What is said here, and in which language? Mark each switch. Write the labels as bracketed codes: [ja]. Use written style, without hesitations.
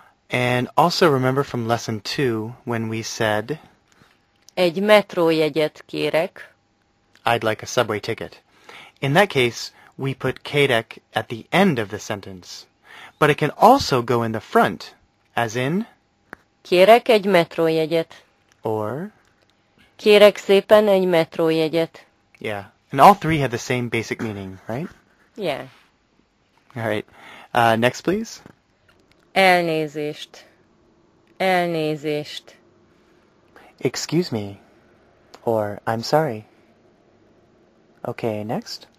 [en] And also remember from lesson 2 when we said... [hu] Egy metrójegyet kérek. [en] I'd like a subway ticket. In that case, we put kérek at the end of the sentence. But it can also go in the front, as in... [hu] Kérek egy metrójegyet. [en] Or? [hu] Kérek szépen egy metrójegyet. [en] Yeah. And all three have the same basic meaning, right? Yeah. All right. Next, please. [hu] Elnézést. Elnézést. [en] Excuse me. Or, I'm sorry. Okay, next.